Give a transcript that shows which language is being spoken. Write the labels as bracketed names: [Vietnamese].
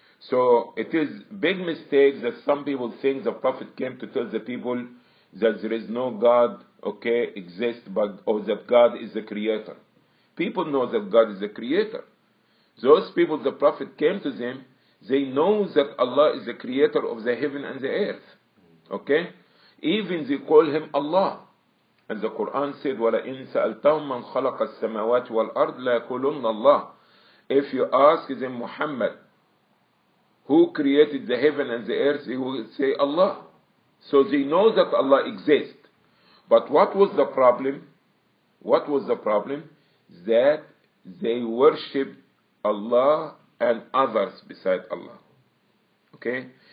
[English] So it is big mistake that some people think the Prophet came to tell the people that there is no God, okay, exist, but or that God is the creator. People know that God is the creator. Those people, the Prophet came to them, they know that Allah is the creator of the heaven and the earth. Okay? Even they call him Allah. And the Quran said, [Arabic] وَلَئِن سَأَلْتَهُمْ مَنْ خَلَقَ السَّمَوَاتِ وَالْأَرْضِ لَيَقُولُنَّ اللَّهِ. [English] If you ask them, Muhammad, who created the heaven and the earth, he will say Allah. So they know that Allah exists. But what was the problem? What was the problem? That they worship Allah and others beside Allah. Okay?